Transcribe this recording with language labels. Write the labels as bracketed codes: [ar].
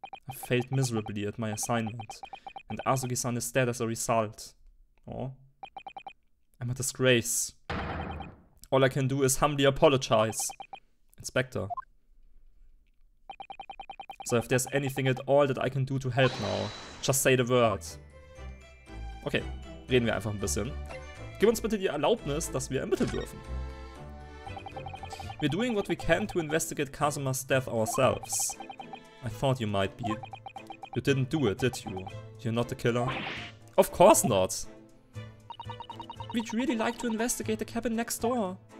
[en] I failed miserably at my assignment, and Asuki-san is dead as a result. Oh, I'm a disgrace. All I can do is humbly apologize. Inspector. So if there's anything at all that I can do to help now, just say the word. [de] Okay, reden wir einfach ein bisschen. Gib uns bitte die Erlaubnis, dass wir ermitteln dürfen. [en] We're doing what we can to investigate Kazuma's death ourselves. I thought you might be. You didn't do it, did you? You're not the killer? Of course not! We'd really like to investigate the cabin next door.